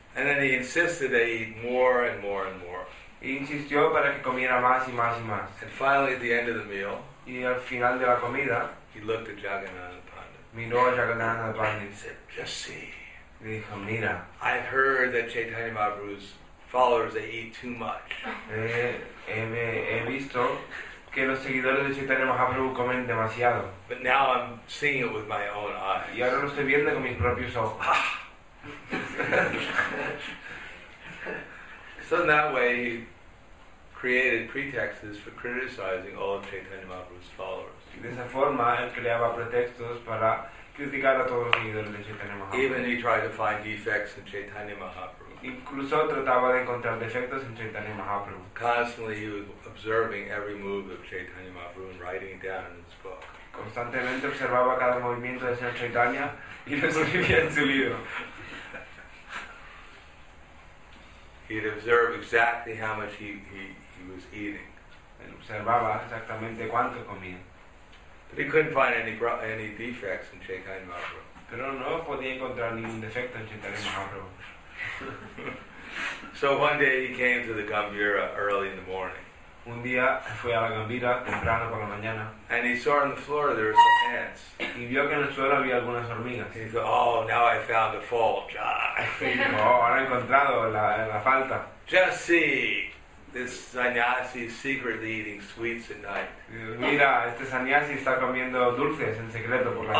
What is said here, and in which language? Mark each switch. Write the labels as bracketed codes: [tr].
[en] And then he insisted that he eat more and more and more. [es] Y insistió para que comiera más y más y más. [en] And finally, at the end of the meal. [es] Y al final de la comida, [en] he looked at Jagannatha Pandit. [es] Miró a Jagannatha Pandit. [en] He said, just see. [es] Dijo, mira. [en] I've heard that Chaitanya Mahaprabhu's followers that eat too much. [es] He visto que los seguidores de Chaitanya Mahaprabhu comen demasiado. [en] But now I'm seeing it with my own eyes. [es] Y ahora lo estoy viendo con mis propios ojos. Ah. [en] So in that way, he created pretexts for criticizing all of Chaitanya Mahaprabhu's followers. [es] De esa forma, él creaba pretextos para criticar a todos los seguidores de Chaitanya Mahaprabhu. [en] Even he tried to find defects in Chaitanya Mahaprabhu. [es] Incluso trataba de encontrar defectos en Chaitanya Mahaprabhu. [en] Constantly he was observing every move of Chaitanya Mahaprabhu and writing it down in his book. [es] Constantemente observaba cada movimiento de Señor Chaitanya y lo escribía en su libro. [en] He'd observe exactly how much he was eating. [es] Él observaba exactamente cuánto comía. [en] But he couldn't find any defects in Chaitanya Mahaprabhu. [es] Pero no podía encontrar ningún defecto en Chaitanya Mahaprabhu. [en] So one day he came to the Gambira early in the morning. [es] Un día fue a la Gambira temprano por la mañana. [en] And he saw on the floor there were some ants. [es] Y vio que en el suelo había algunas hormigas. [en] He thought, "Oh, now I found a fault." [es] Oh, ahora he encontrado la falta. [en] Just see this sannyasi secretly eating sweets at night. [es] Mira, este sannyasi está comiendo dulces en secreto por la noche.